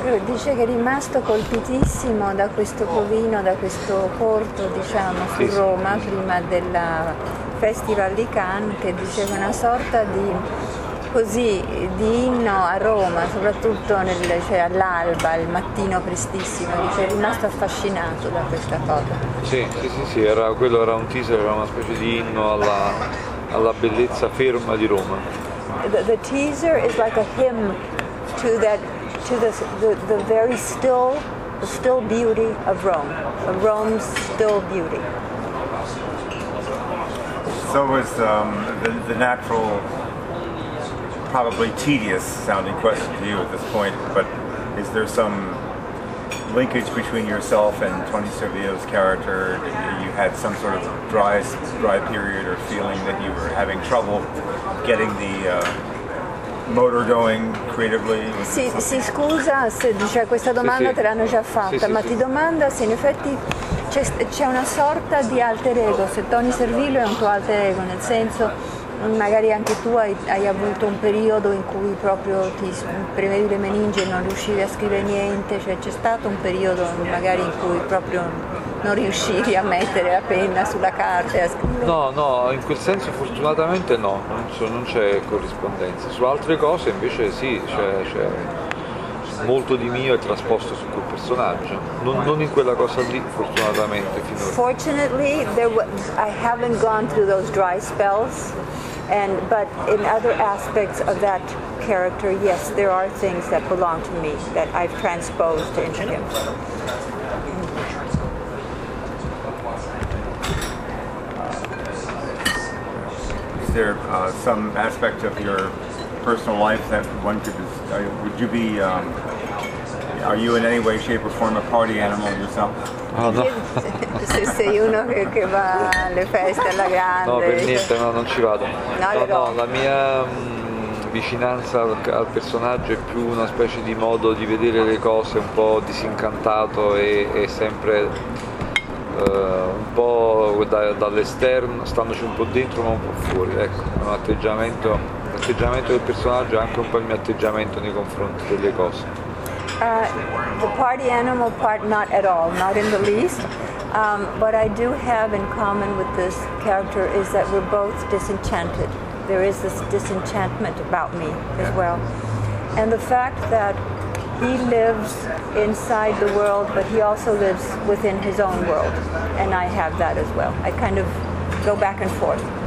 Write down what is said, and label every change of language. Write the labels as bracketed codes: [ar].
[it] Dice che è rimasto colpitissimo da questo provino, da questo corto, diciamo, su Roma, prima del Festival di Cannes, che diceva una sorta di. Così, di inno a Roma, soprattutto all'alba, al mattino prestissimo, dice, è rimasto affascinato da questa cosa. Sì, era un teaser, era una specie di inno alla bellezza ferma di Roma. [en] The teaser is like a hymn to the very still, the still beauty of Rome, of Rome's still beauty. So was the natural. Probably tedious sounding question to you at this point, but is there some linkage between yourself and Tony Servillo's character? You had some sort of dry period or feeling that you were having trouble getting the motor going creatively? [it] Si scusa se dice questa domanda te l'hanno già fatta, ma ti domanda se in effetti c'è una sorta di alter ego, se Tony Servillo è un tuo alter ego, nel senso. Magari anche tu hai avuto un periodo in cui proprio ti premevi le meningi e non riuscivi a scrivere niente, cioè c'è stato un periodo magari in cui proprio non riuscivi a mettere la penna sulla carta e a scrivere. No, in quel senso fortunatamente no, non c'è corrispondenza. Su altre cose invece sì, c'è molto di mio è trasposto su quel personaggio, non in quella cosa lì, fortunatamente finora. [en] Fortunately, I haven't gone through those dry spells. But in other aspects of that character, yes, there are things that belong to me that I've transposed into him. Is there some aspect of your personal life that one could, would you be, are you in any way, shape or form a party animal yourself? Oh, no. [it] Se sei uno che va alle feste alla grande. No, per niente, no, non ci vado. No, la mia vicinanza al personaggio è più una specie di modo di vedere le cose un po' disincantato e sempre un po' dall'esterno, standoci un po' dentro ma un po' fuori. Ecco, è un atteggiamento. L'atteggiamento del personaggio è anche un po' il mio atteggiamento nei confronti delle cose. [en] The party animal part, not at all, not in the least. What I do have in common with this character is that we're both disenchanted. There is this disenchantment about me as well. And the fact that he lives inside the world, but he also lives within his own world. And I have that as well. I kind of go back and forth.